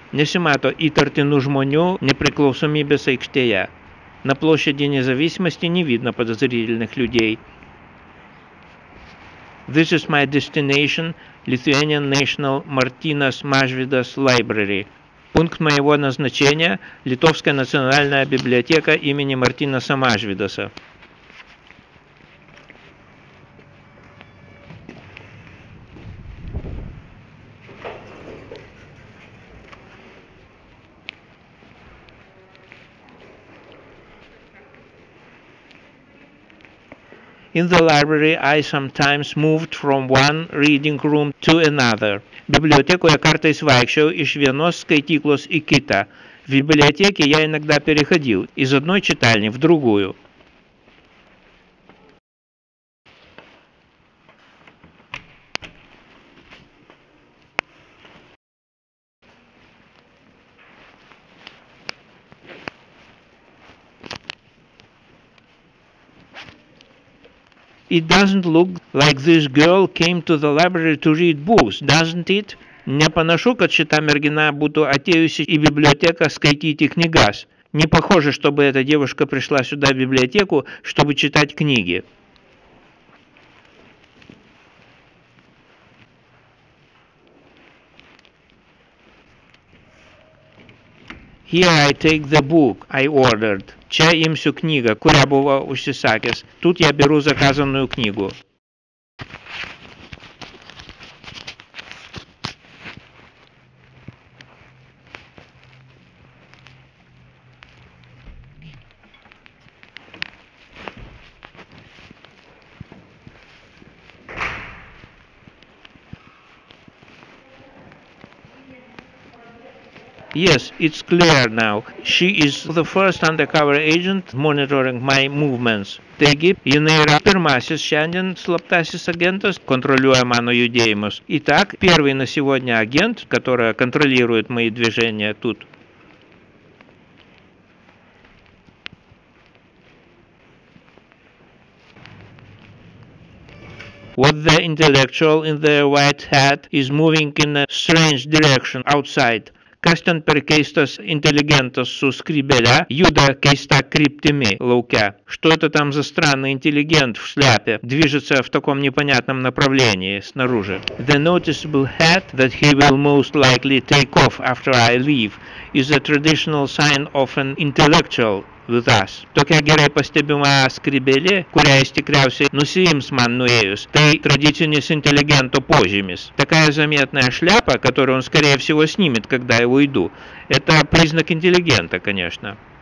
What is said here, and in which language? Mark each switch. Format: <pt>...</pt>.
<lt>Nesimato įtartinų žmonių nepriklausomybės aikštėje.</lt> <ru>На площади независимости не видно подозрительных людей.</ru> <en>This is my destination, Lithuanian National Martinas Mažvydas Library.</en> <ru>Пункт моего назначения – Литовская национальная библиотека имени Мартинаса Мажвидаса.</ru> <en>In the library, I sometimes moved from one reading room to another.</en> <lt>Bibliotekoje kartais vaikščiau iš vienos skaityklos į kitą.</lt> <ru>В библиотеке я иногда переходил из одной читальни в другую.</ru> <en>It doesn't look like this girl came to the library to read books, doesn't it?</en> <lt>Nepanašu, kad šita mergina būtų atėjusi į biblioteką skaityti knygas. Nepanašu,</lt> <ru>чтобы эта девушка пришла сюда в библиотеку, чтобы читать книги.</ru> <en>Here I take the book I ordered.</en> <lt>Čia imsiu knygą, kurią buvo užsisakęs.</lt> <ru>Тут я беру заказанную книгу.</ru> <en>Yes, it's clear now. She is the first undercover agent monitoring my movements.</en> <lt>Taigi, jinai yra pirmasis šiandien slaptasis agentas, kontroliuoja mano judėjimus.</lt> <ru>Итак, первый на сегодня агент, который контролирует мои движения тут.</ru> <en>What the intellectual in the white hat is moving in a strange direction outside.</en> <lt>Kas ten per keistas intelligentas su skrybele juda keista kryptimi lauke?</lt> <ru>Что это там за странный интеллигент в шляпе движется в таком непонятном направлении снаружи?</ru> <en>The noticeable hat that he will most likely take off after I leave is a traditional sign of an intellectual with us.</en> <lt>Tokia gerai pastebima skrybelė, kurią jis tikriausiai nusiims man nuėjus, tai tradicinis inteligento požymis.</lt> <ru>Такая заметная шляпа, которую он скорее всего снимет, когда я уйду, это признак интеллигента, конечно.</ru>